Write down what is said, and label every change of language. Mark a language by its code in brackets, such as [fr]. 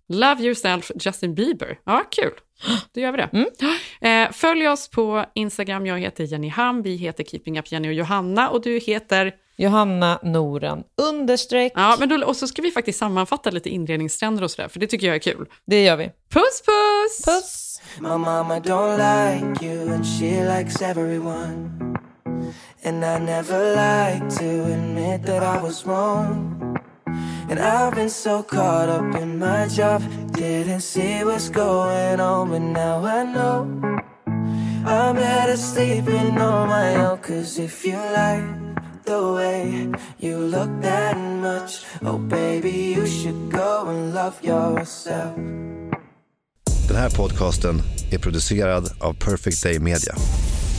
[sv] Love Yourself, Justin Bieber. Ja, kul. Då gör vi det. Följ oss på Instagram. Jag heter Jenny Ham. Vi heter Keeping Up Jenny och Johanna. Och du heter... Johanna Noren, _. Ja, men då, och så ska vi faktiskt sammanfatta lite inredningstrender och sådär, för det tycker jag är kul. Det gör vi. Puss, puss! Puss! [en] My mama don't like you and she likes everyone. And I never liked to admit that I was wrong. And I've been so caught up in my job, didn't see what's going on, but now I know. I'm better sleeping on my own, 'cause if you like the way you look that much, oh baby, you should go and love yourself. [sv] Den här podcasten är producerad av Perfect Day Media.